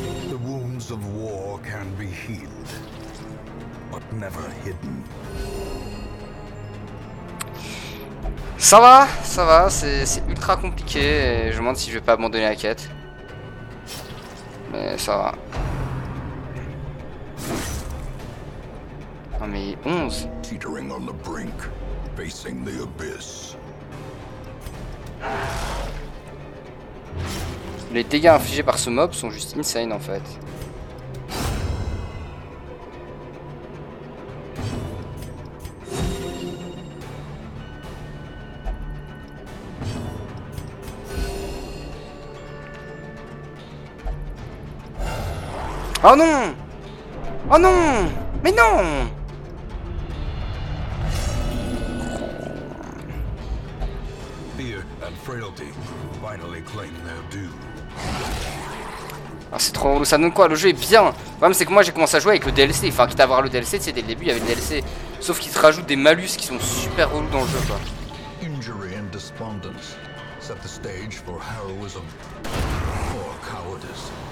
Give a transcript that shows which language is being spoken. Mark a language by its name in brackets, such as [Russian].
[English] The wounds of war can be healed, but never hidden. [French] Ça va, c'est ultra compliqué et je me demande si je vais pas abandonner la quête. Mais ça va. Non mais 11. [English] Teetering on the brink, facing the abyss. [French] Les dégâts infligés par ce mob sont juste insane en fait. Oh non! Oh non! Mais non! [English] Fear and frailty finally claim their due. [French] Ah, c'est trop. Ça donne quoi? Le jeu est bien! Le problème, c'est que moi j'ai commencé à jouer avec le DLC. Enfin, quitte à avoir le DLC, tu sais, dès le début il y avait le DLC. Sauf qu'il te rajoute des malus qui sont super relous dans le jeu, quoi. [English] Injury and despondence set the stage for heroism or cowardice.